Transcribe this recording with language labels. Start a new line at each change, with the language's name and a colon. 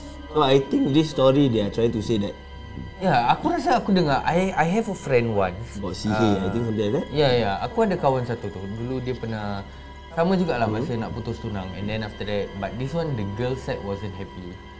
English: So I think this story they are trying to say that.
Malay: Yeah, aku rasa aku dengar.
English: I have a friend once. About CK, I think something like that.
Malay: Yeah. Aku ada kawan satu tu. Dulu dia pernah sama juga lah masa nak putus tunang.
English: And then after that, but this one the girl said wasn't happy.